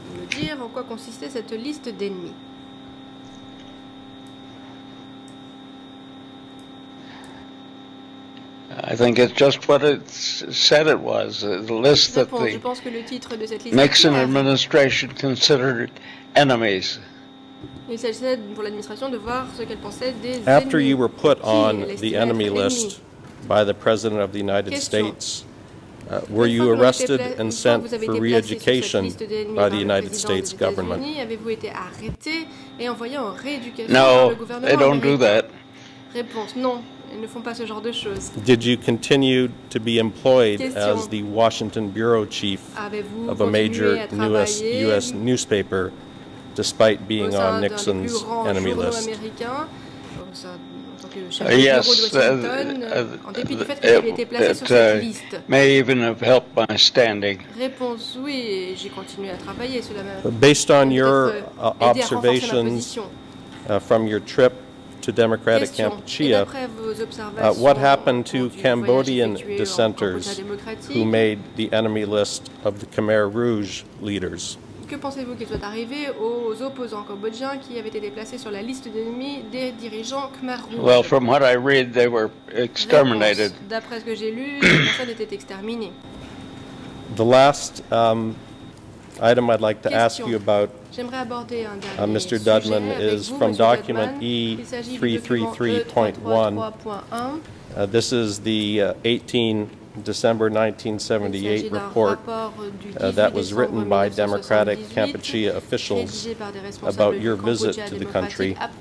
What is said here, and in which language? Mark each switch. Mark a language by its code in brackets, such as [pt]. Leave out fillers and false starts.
[fr] Dire en quoi consistait cette liste d'ennemis. [en] I think it's just what it said it was, the list that the Nixon administration considered enemies. [fr] Il s'agissait pour l'administration de voir ce qu'elle pensait des ennemis. [en] After you were put on the enemy list by the President of the United States, were you arrested and sent for re-education by the United States government? [fr] Avez-vous été arrêté et envoyé en rééducation par le gouvernement? [en] No, they don't do that. [fr] Réponse, non, ils ne font pas ce genre de choses. [en] Did you continue to be employed as the Washington bureau chief of a major U.S. newspaper despite being on Nixon's enemy list? Yes, it may even have helped my standing. [fr] Réponse, oui, j'ai continué à travailler. [en] Based on your observations from your trip to Democratic Kampuchea, what happened to Cambodian dissenters who made the enemy list of the Khmer Rouge leaders? [fr] Que pensez-vous qu'il soit arrivé aux opposants cambodgiens qui avaient été placés sur la liste d'ennemis des dirigeants Khmer Rouge? [en] Well, from what I read, they were exterminated. [fr] D'après ce que j'ai lu, les personnes étaient exterminées. [en] The last item I'd like to ask you about, Mr. Dudman, is from document E333.1. This is the 18 December 1978 report that was written by Democratic Kampuchea officials about your visit to the country.